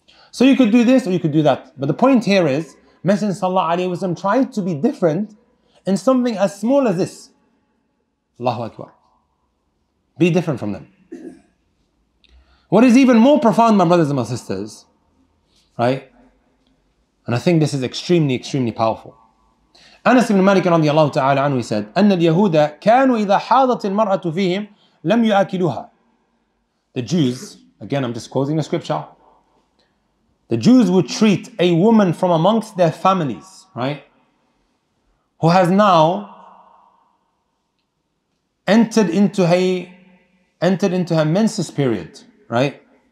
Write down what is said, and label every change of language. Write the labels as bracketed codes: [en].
[en] So you could do this or you could do that. But the point here is, Messenger Sallallahu Alaihi Wasallam tried to be different in something as small as this. Allahu Akbar. Be different from them. What is even more profound, my brothers and my sisters, right? And I think this is extremely, extremely powerful. Anas ibn Malik radiyallahu ta'ala anhu said, [ar] أَنَّ الْيَهُودَ كَانُوا إِذَا حَاضَتِ الْمَرْأَةُ فِيهِمْ لَمْ يُؤَكِلُهَا. [en] The Jews, again I'm just quoting the scripture, the Jews would treat a woman from amongst their families, right, who has now entered into her menses period, right?